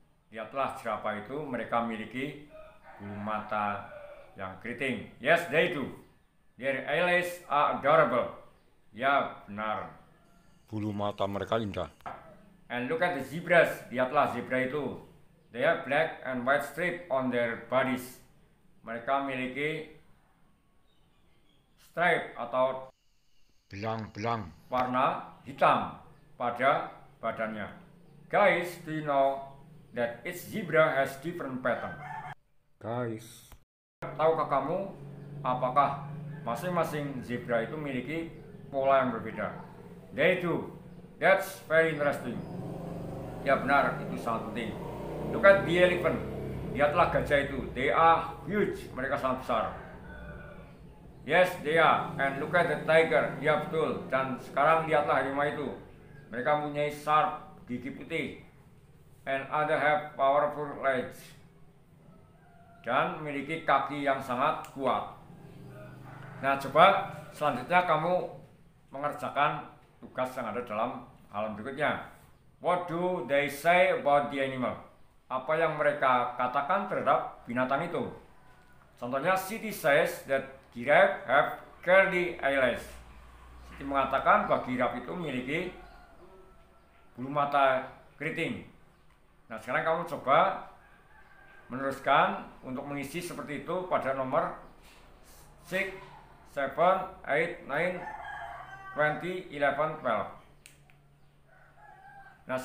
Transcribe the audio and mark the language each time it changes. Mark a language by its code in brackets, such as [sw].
[id] Lihatlah jerapah itu, mereka memiliki bulu mata yang keriting. [en] Yes, they do. Their eyelids are adorable. [id] Ya, benar. Bulu mata mereka indah. [en] And look at the zebras, [id] lihatlah zebra itu. [en] They have black and white stripes on their bodies. [id] Mereka memiliki stripe atau belang-belang warna hitam pada badannya. [en] Guys, do you know that each zebra has different pattern? Guys, [id] tahukah kamu apakah masing-masing zebra itu memiliki pola yang berbeda? [en] They do. That's very interesting. [id] Ya benar, itu sangat penting. [en] Look at the elephant. [id] Lihatlah gajah itu. [en] They are huge. [id] Mereka sangat besar. [en] Yes, they are. And look at the tiger. [id] Ya, betul. Dan sekarang lihatlah harimau itu. Mereka punya [en] sharp [id] gigi putih. [en] And other have powerful legs. [id] Dan memiliki kaki yang sangat kuat. Nah, coba selanjutnya kamu mengerjakan tugas yang ada dalam halaman berikutnya. [en] What do they say about the animal? [id] Apa yang mereka katakan terhadap binatang itu? [en] Contohnya, Siti says that giraffe have curly eyelids. [id] Siti mengatakan bahwa giraffe itu memiliki bulu mata keriting. Nah, sekarang kamu coba meneruskan untuk mengisi seperti itu pada nomor 6, 7, 8, 9, 20, 11, 12.